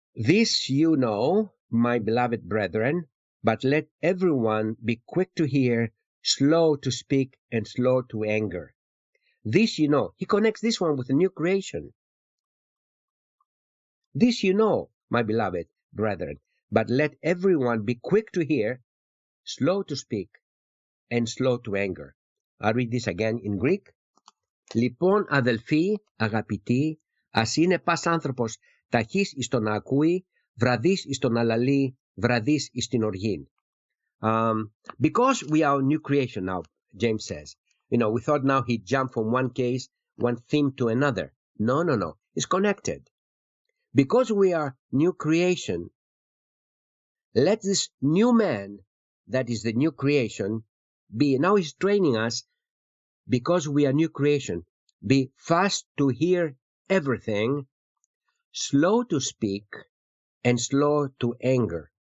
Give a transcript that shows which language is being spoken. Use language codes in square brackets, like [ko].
[en] This you know, my beloved brethren, but let everyone be quick to hear, slow to speak, and slow to anger. This you know. He connects this one with the new creation. This you know, my beloved brethren, but let everyone be quick to hear, slow to speak, and slow to anger. I read this again in Greek. [el] Λοιπόν, αδελφοί, αγαπητοί, ας είναι πας άνθρωπος ταχύς εις το να ακούει, βραδύς εις το να λαλεί, βραδύς εις την οργήν. [en] Because we are a new creation now, James says. You know, we thought now he jumped from one case, one theme to another. No. It's connected. Because we are new creation, let this new man, that is the new creation, be, now he's training us, because we are new creation, be fast to hear everything, slow to speak, and slow to anger.